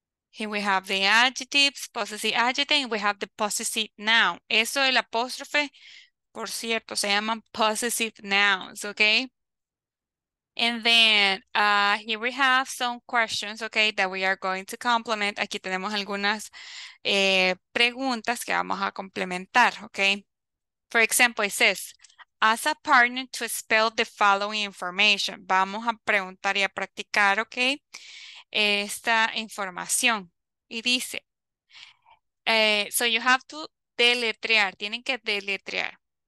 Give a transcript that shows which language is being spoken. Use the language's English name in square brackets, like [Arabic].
[English] Here we have the adjectives, possessive adjective, and we have the possessive noun. [Spanish] Eso del apóstrofe, por cierto, se llaman possessive nouns, okay? [English] And then here we have some questions, okay, that we are going to complement. [Spanish] Aquí tenemos algunas preguntas que vamos a complementar, okay. [English] For example, it says, ask a partner to spell the following information. [Spanish] Vamos a preguntar y a practicar, okay, esta información. Y dice, so you have to deletrear, tienen que deletrear.